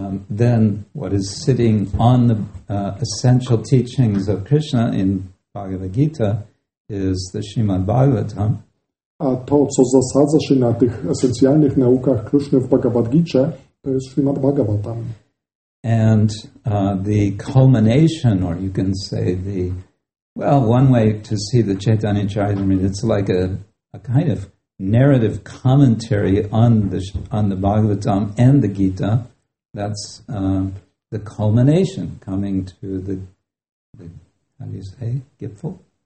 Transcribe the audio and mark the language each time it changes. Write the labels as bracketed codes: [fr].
[en] Then what is sitting on the essential teachings of Krishna in Bhagavad Gita is the Śrīmad Bhagavatam. [pl] A to, co zasadza się na tych esencjalnych naukach Kryszny w Bhagavad Gita, to jest Śrīmad Bhagavatam. [en] And the culmination, or you can say the, well, one way to see the Chaitanya Charitamrita, it's like a kind of narrative commentary on the Bhagavatam and the Gita. That's the culmination coming to the how do you say, Gipfel?